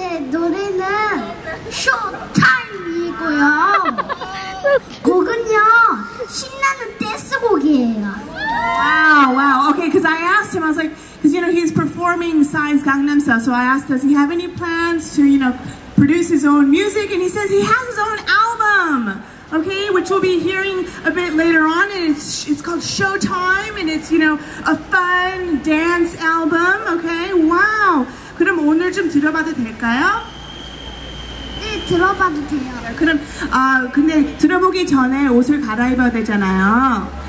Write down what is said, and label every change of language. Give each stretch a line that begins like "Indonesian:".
Korean: 노래는 쇼타임이고요. 곡은요 신나는 댄스곡이에요.
English: Wow. Okay, because I asked him, I was like, because you know he's performing Psy's Gangnam Style, so I asked, does he have any plans to, you know, produce his own music? And he says he has his own album. Okay, which we'll be hearing a bit later on, and it's called Showtime, and it's, you know, a fun dance album. Okay, wow.
Korean: 그럼 오늘 좀 들어봐도 될까요? 네, 들어봐도 돼요. 그럼 근데 들어보기 전에 옷을 갈아입어야 되잖아요.